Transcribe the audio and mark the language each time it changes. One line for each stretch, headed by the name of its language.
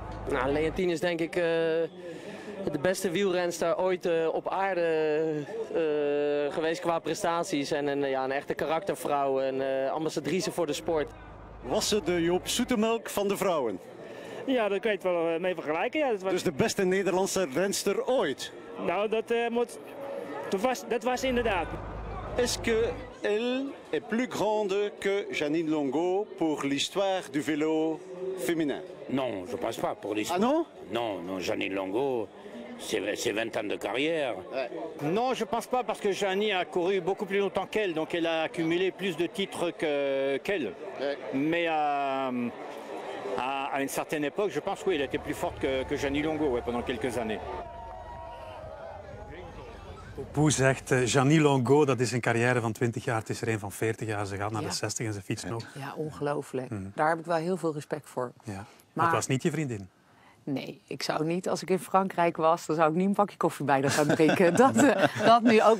Dutch: Nou, Leontine is denk ik de beste wielrenster ooit op aarde geweest qua prestaties. En een echte karaktervrouw en ambassadrice voor de sport. Was ze de Joop Zoetemelk van de vrouwen? Ja, daar kun je het wel mee vergelijken. Ja, dus de beste Nederlandse renster ooit? Nou, dat was inderdaad.
French: Est-ce que elle est plus grande que Jeannine Longo pour l'histoire du vélo féminin? Non, je ne pense pas pour l'histoire. Ah non? Non, non, Jeannine Longo, c'est 20 ans de carrière. Ouais. Non, je ne pense pas parce que Jeannine a couru beaucoup plus longtemps qu'elle, donc elle a accumulé plus de titres qu'elle. Ouais. Mais à une certaine époque, je pense qu'elle était plus forte que Jeannine Longo pendant quelques années.
Dutch: Poe zegt, Jeannine Longo, dat is een carrière van 20 jaar. Het is er een van 40 jaar. Ze gaat naar de 60 en ze fietst nog. Ja, ongelooflijk. Mm. Daar heb ik wel heel veel respect voor. Ja. Maar het was niet je vriendin? Nee, ik zou niet, als ik in Frankrijk was, dan zou ik niet een pakje koffie bij haar gaan drinken. dat nu ook.